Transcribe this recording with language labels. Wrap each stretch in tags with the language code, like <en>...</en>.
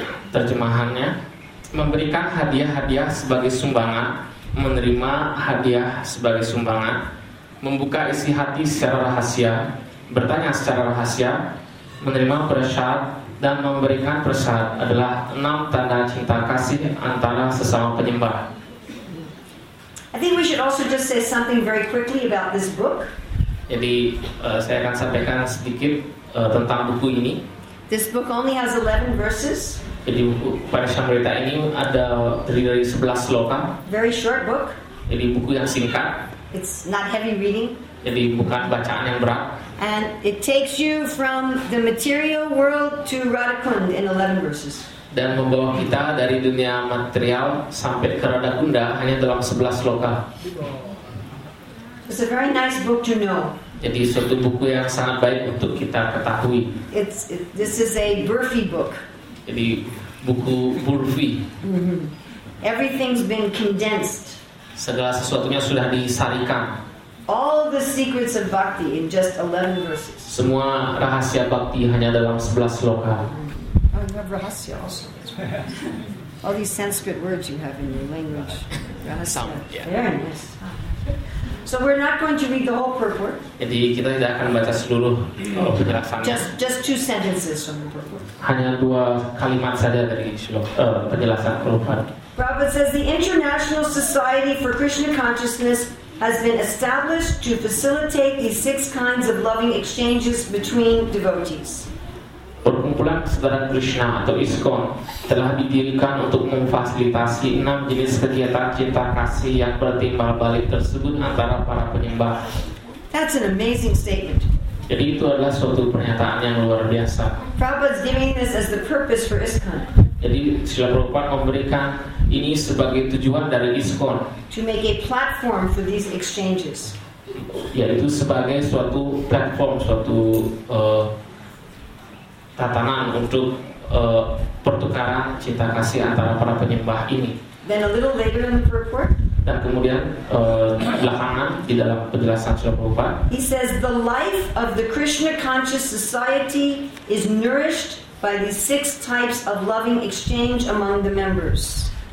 <id>Terjemahannya, memberikan hadiah-hadiah sebagai sumbangan, menerima hadiah sebagai sumbangan, membuka isi hati secara rahasia, bertanya secara rahasia, menerima prasad dan memberikan prasad adalah 6 tanda cinta kasih antara sesama penyembah.</id> <en>I think we should also just say something very quickly about this book.</en> <id>Jadi saya akan sampaikan sedikit tentang buku ini.</id> <en>This book only has 11 verses.</en> <id>Jadi buku Upadeshamrita ini ada terdiri dari 11 sloka.</id> <en>Very short book.</en> <id>Jadi buku yang singkat.</id> <en>It's not heavy reading.</en> <id>Jadi bukan bacaan yang berat.</id> <en>And it takes you from the material world to Radhakund in 11 verses.</en> <id>Dan membawa kita dari dunia material sampai ke Radhakunda hanya dalam 11 sloka.</id> <en>It's a very nice book to know.</en> <id>Jadi suatu buku yang sangat baik untuk kita ketahui.</id> <en>This is a Burfi book.</en> <id>Jadi buku Burfi.</id> <en>Everything's been condensed.</en> <id>Segala sesuatunya sudah disarikan.</id> <en>All the secrets of bhakti in just 11 verses.</en> <id>Semua rahasia bhakti hanya dalam 11 sloka.</id> <en>Oh, you have rahasia also. All these Sanskrit words you have in your language. Rahasia. Very nice. So we're not going to read the whole purport.</en> <id>Jadi kita tidak akan baca seluruh penjelasannya.</id> <en>Just 2 sentences from the purport.</en> <id>Hanya 2 kalimat saja dari penjelasan purport.</id> <en>Prabhupada says the International Society for Krishna Consciousness has been established to facilitate these 6 kinds of loving exchanges between devotees.</en> <id>Perkumpulan Kesadaran Krishna atau ISKCON telah didirikan untuk memfasilitasi 6 jenis kegiatan cinta kasih yang bertimbal balik tersebut antara para penyembah.</id> <en>That's an amazing statement.</en> <id>Jadi itu adalah suatu pernyataan yang luar biasa.</id> <en>Prabhupada's giving this as the purpose for ISKCON.</en> <id>Jadi Srila Prabhupada memberikan ini sebagai tujuan dari ISKCON.</id> <en>To make a platform for these exchanges.</en> <id>Yaitu sebagai suatu platform, suatu tatanan untuk pertukaran cinta kasih antara para penyembah ini.</id> <en>Then a little later in the purport.</en> <id>Dan kemudian belakangan di dalam penjelasan Srila Prabhupada.</id> <en>He says the life of the Krishna conscious society is nourished by these 6 types of loving exchange among the members.</en>